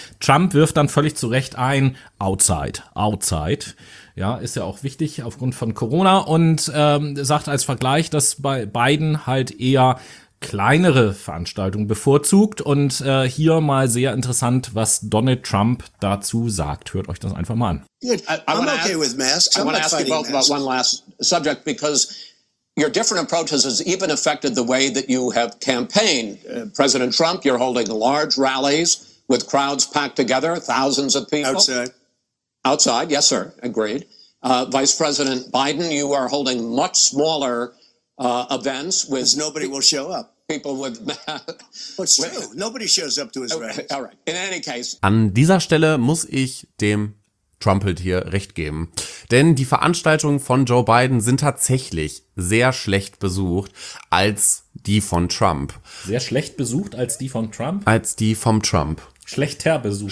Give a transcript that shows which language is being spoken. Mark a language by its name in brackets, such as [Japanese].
[German] Trump wirft dann völlig zu Recht ein, outside, ja, ist ja auch wichtig aufgrund von Corona, und sagt als Vergleich, dass bei Biden halt eher kleinere Veranstaltungen bevorzugt. Und hier mal sehr interessant, was Donald Trump dazu sagt. Hört euch das einfach mal an. [English] I want to ask you both about one last subject, because your different approaches has even affected the way that you have campaigned. President Trump, you're holding large rallies with crowds packed together, thousands of people. Outside, yes, sir. Agreed. Vice President Biden, you are holding much smaller events with nobody will show up. People with what's true? Nobody shows up to his rallies. All right. In any case. [German] An dieser Stelle muss ich dem Trumpet hier recht geben. Denn die Veranstaltungen von Joe Biden sind tatsächlich sehr schlecht besucht als die von Trump. Sehr schlecht besucht als die von Trump? Als die vom Trump. Schlechter besucht.